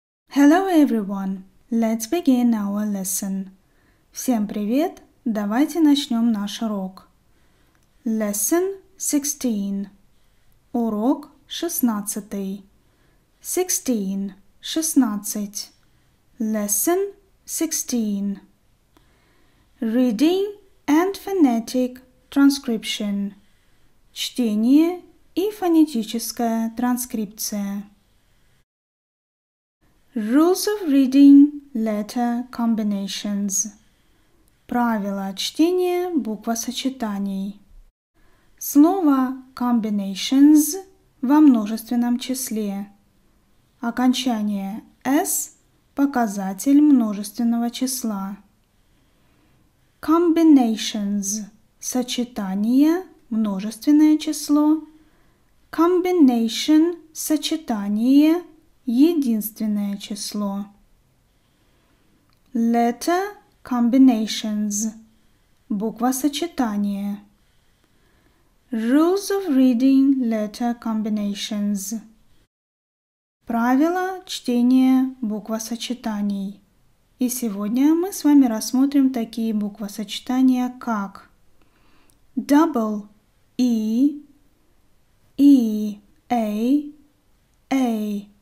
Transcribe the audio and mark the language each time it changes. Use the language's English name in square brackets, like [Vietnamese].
[English] Hello everyone, let's begin our lesson. [Russian] Всем привет, давайте начнем наш урок. [English] Lesson 16. [Russian] Урок 16. [English] 16. 16. Lesson 16. Reading and phonetic transcription. [Russian] Чтение и фонетическая транскрипция. [English] Rules of reading letter combinations. [Russian] Правила чтения буквосочетаний. Слово combinations во множественном числе. Окончание s – показатель множественного числа. Combinations – сочетание, множественное число. Combination – сочетание, единственное число. [English] Letter combinations. [Russian] Буквосочетание. [English] Rules of reading letter combinations. [Russian] Правила чтения буквосочетаний. И сегодня мы с вами рассмотрим такие буквосочетания, как double E, E, A, A.